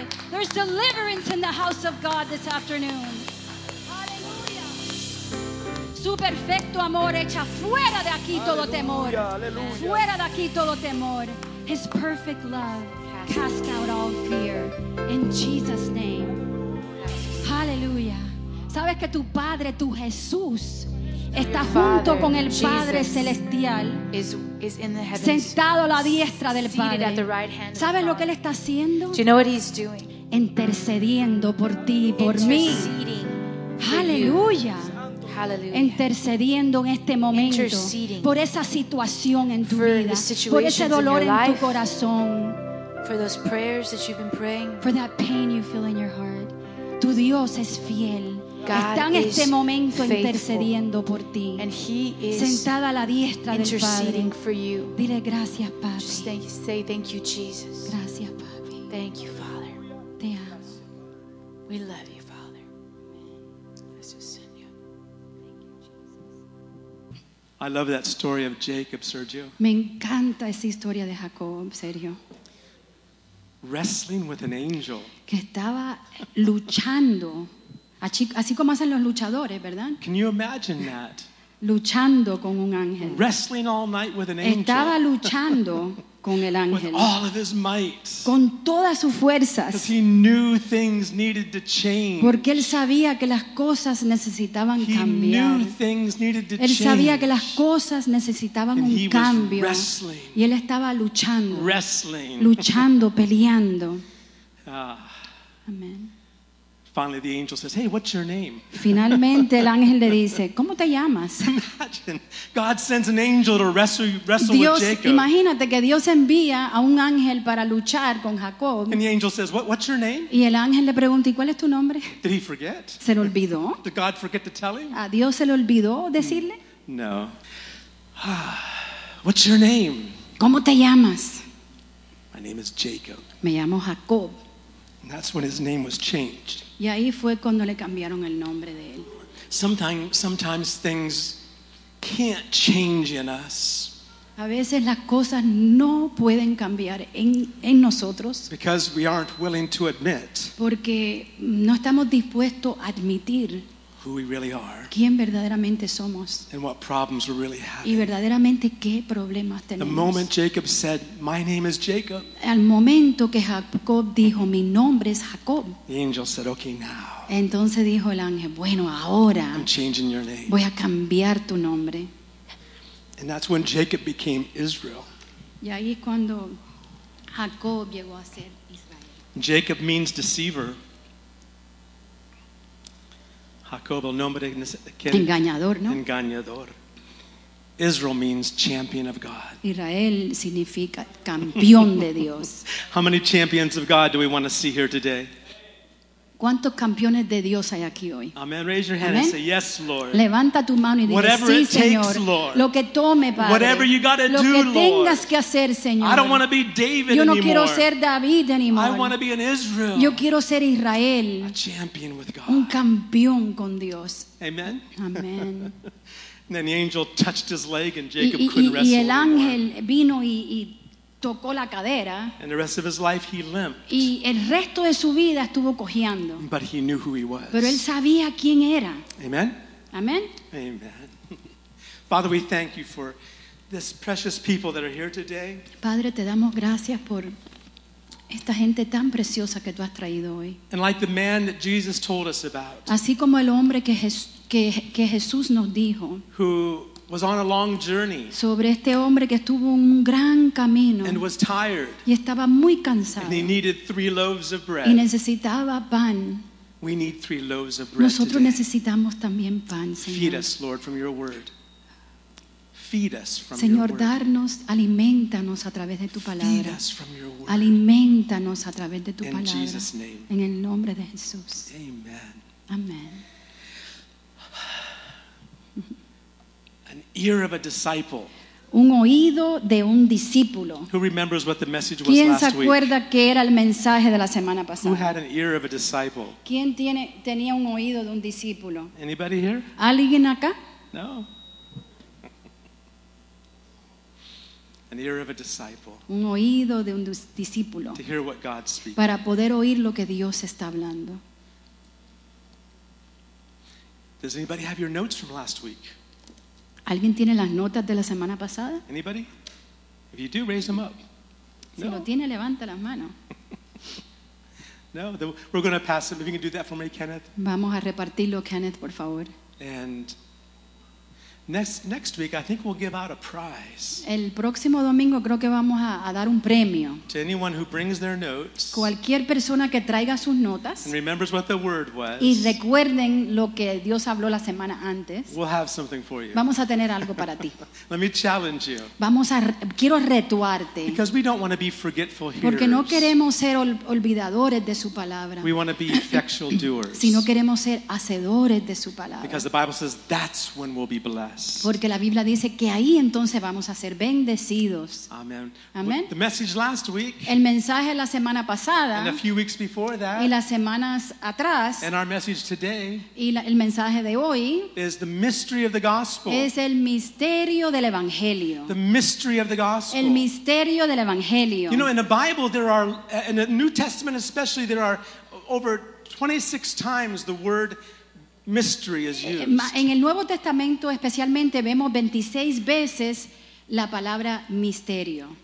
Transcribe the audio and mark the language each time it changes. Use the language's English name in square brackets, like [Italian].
[English] There's deliverance in the house of God this afternoon. [Spanish] Aleluya. Su perfecto amor echa fuera de aquí todo temor. Aleluya. Fuera de aquí todo temor. [English] His perfect love cast out all fear. In Jesus' name. Aleluya. [Spanish] Sabes que tu Padre, tu Jesús, está junto con el Padre celestial. [English] Is in the heavens, [Spanish] sentado a la diestra del Padre. ¿Sabes lo que Él está haciendo? [English] Do you know what He's doing? [Spanish] Intercediendo por ti y por mí. Aleluya. [English] Hallelujah. [Spanish] Intercediendo en este momento por esa situación en tu vida, por ese dolor [English] in your life, [Spanish] en tu corazón, [English] for those prayers that you've been praying, for that pain you feel in your heart. [Spanish] Tu Dios es fiel. [English] God [Spanish] está en este momento [English] faithful, [Spanish] intercediendo por ti, sentada a la diestra del Padre. Dile gracias, Padre. [English] Just thank you, say thank you, Jesus. [Spanish] Gracias, Padre. [English] Thank you, Father. [Spanish] Te amo. [English] We love you, Father. I love that story of Jacob, Sergio. [Spanish] Me encanta esa historia de Jacob, Sergio. [English] Wrestling with an angel. [Spanish] Que estaba luchando. Así como hacen los luchadores, ¿verdad? [English] Can you imagine that? [Spanish] Luchando con un ángel. [English] Wrestling all night with an angel. [Spanish] Estaba luchando con el ángel. [English] With all of his might. [Spanish] Con todas sus fuerzas. [English] Because he knew things needed to change. [Spanish] Porque él sabía que las cosas necesitaban [English] he [Spanish] cambiar. [English] Knew things needed to [Spanish] él [English] change. [Spanish] Sabía que las cosas necesitaban [English] And [Spanish] un [English] he [Spanish] cambio. [English] Was wrestling. [Spanish] Y él estaba luchando. [English] Wrestling. [Spanish] Luchando, peleando. Amén. [English] Finally, the angel says, "Hey, what's your name?" [Spanish] Finalmente, el ángel le dice, ¿cómo te llamas? [English] Imagine, God sends an angel to wrestle [Spanish] Dios, [English] with Jacob. [Spanish] Imagínate que Dios envía a un ángel para luchar con Jacob. [English] And the angel says, "What's your name?" [Spanish] Y el ángel le pregunta, ¿y cuál es tu nombre? [English] Did he forget? [Spanish] ¿Se lo olvidó? [English] Did God forget to tell him? [Spanish] ¿A Dios se le olvidó decirle? [English] No. What's your name? [Spanish] ¿Cómo te llamas? [English] My name is Jacob. [Spanish] Me llamo Jacob. [English] And that's when his name was changed. [Spanish] Y ahí fue cuando le cambiaron el nombre de él. [English] Sometimes things can't change in us. [Spanish] A veces las cosas no pueden cambiar en nosotros. [English] Because we aren't willing to admit. [Spanish] Porque no estamos dispuestos a admitir [English] who we really are. [Spanish] Quién verdaderamente somos. [English] And what problems we really have. [Spanish] Y verdaderamente qué problemas tenemos. [English] The moment Jacob said, "My name is Jacob." [Spanish] Al momento que Jacob dijo, "Mi nombre es Jacob." [English] The angel said, "Okay, now." [Spanish] Entonces dijo el ángel, "Bueno, ahora [English] I'm changing your name. [Spanish] Voy a cambiar tu nombre." [English] And that's when Jacob became Israel. [Spanish] Y ahí es cuando Jacob llegó a ser Israel. [English] Jacob means deceiver. [Spanish] Jacob, el nombre que engañador, ¿no? Engañador. [English] Israel means champion of God. [Spanish] Israel significa campeón de Dios. [English] How many champions of God do we want to see here today? [Spanish] ¿Cuántos campeones de Dios hay aquí hoy? [English] Amen. Raise your hand. Amen. And say yes, Lord. [Spanish] Levanta tu mano y [English] whatever [Spanish] dice, [English] it [Spanish] sí, [English] takes, [Spanish] Señor. [English] Lord. [Spanish] Lo que tome, Padre. [English] Whatever you got to do, Lord. [Spanish] Lo que tengas que hacer, Señor. [English] I don't want to be David [Spanish] yo no [English] anymore. [Spanish] Quiero ser David [English] anymore. I want to be an Israel. [Spanish] Yo quiero ser Israel. [English] A champion with God. [Spanish] Un campeón con Dios. Amen. Amen. [English] And then the angel touched his leg and Jacob couldn't wrestle anymore. [Spanish] Y el ángel [English] anymore. [Spanish] Vino y tocó la cadera. [English] And the rest of his life he limped. [Spanish] Y el resto de su vida estuvo cojeando. [English] But he knew who he was. [Spanish] Pero él sabía quién era. Amen. Amen. Amen. [English] Father, we thank you for this precious people that are here today. [Spanish] Padre, te damos gracias por esta gente tan preciosa que tú has traído hoy. [English] And like the man that Jesus told us about. [Spanish] Así como el hombre que Jesús nos dijo. [English] Who was on a long journey. [Spanish] Sobre este hombre que estuvo un gran camino. [English] And was tired. [Spanish] Y estaba muy cansado. [English] And he needed 3 loaves of bread. [Spanish] Y necesitaba pan. [English] We need 3 loaves of bread. [Spanish] Nosotros [English] today. [Spanish] Necesitamos también pan, Señor. [English] Feed us, Lord, from your word. Feed us from [Spanish] Señor, [English] your word. [Spanish] Darnos, alimentanos a través de tu palabra. [English] Feed us from your word. [Spanish] Alimentanos a través de tu [English] In [Spanish] palabra. [English] In Jesus' name. [Spanish] En el nombre de Jesús. Amen. Amen. [English] An ear of a disciple. [Spanish] Un oído de un discípulo. [English] Who remembers what the message was [Spanish] ¿Quién [English] last week? [Spanish] ¿Quién se acuerda qué era el mensaje de la semana pasada? [English] Who had an ear of a disciple? [Spanish] ¿Quién tenía un oído de un discípulo? [English] Anybody here? [Spanish] ¿Alguien acá? No. [English] An ear of a disciple. [Spanish] Un oído de un discípulo. [English] To hear what God's speaking. [Spanish] Para poder oír lo que Dios está hablando. [English] Does anybody have your notes from last week? [Spanish] ¿Alguien tiene las notas de la semana pasada? [English] Anybody? If you do, raise them up. [Spanish] Si lo tiene, levanta las manos. [English] No, we're going to pass them. If you can do that for me, Kenneth. [Spanish] Vamos a repartirlo, Kenneth, por favor. [English] And next week, I think we'll give out a prize. [Spanish] El próximo domingo creo que vamos a dar un premio. [English] To anyone who brings their notes. [Spanish] Cualquier persona que traiga sus notas. [English] And remembers what the word was. [Spanish] Y recuerden lo que Dios habló la semana antes. [English] We'll have something for you. [Spanish] Vamos a tener algo para ti. [English] Let me challenge you. [Spanish] Quiero retuarte. [English] Because we don't want to be forgetful hearers. [Spanish] Porque no queremos ser olvidadores de su palabra. [English] We want to be effectual doers. [Spanish] Sino queremos ser hacedores de su palabra. [English] Because the Bible says that's when we'll be blessed. [Spanish] Porque la Biblia dice que ahí entonces vamos a ser bendecidos. Amen. Amen. [English] The message last week, [Spanish] el mensaje la semana pasada [English] and a few weeks before that, [Spanish] y las semanas atrás [English] and our message today, [Spanish] y el mensaje de hoy [English] is the mystery of the gospel. [Spanish] Es el misterio del Evangelio. [English] The mystery of the gospel. [Spanish] El misterio del Evangelio. [English] You know, in the Bible there are, in the New Testament especially, there are over 26 times the word mystery is used. [Spanish] En el Nuevo Testamento especialmente vemos 26 veces la palabra misterio.